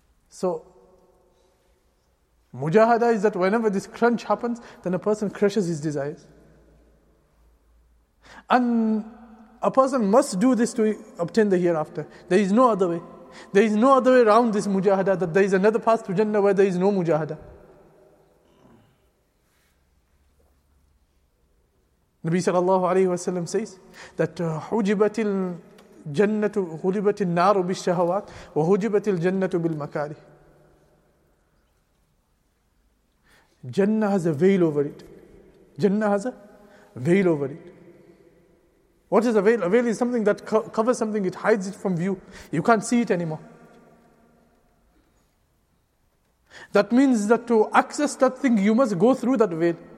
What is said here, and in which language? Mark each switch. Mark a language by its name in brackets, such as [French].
[English] So, mujahada is that whenever this crunch happens, then a person crushes his desires. And a person must do this to obtain the hereafter. There is no other way. There is no other way around this mujahada, that there is another path to Jannah where there is no mujahada. Nabi sallallahu alayhi wa sallam says that [Arabic] حُجِبَتِ الْجَنَّةُ غُلِبَتِ النَّارُ بِالشَّهَوَاتِ وَحُجِبَتِ الْجَنَّةُ بِالْمَكَارِهِ. [English] Jannah has a veil over it. Jannah has a veil over it. What is a veil? A veil is something that covers something, it hides it from view. You can't see it anymore. That means that to access that thing, you must go through that veil.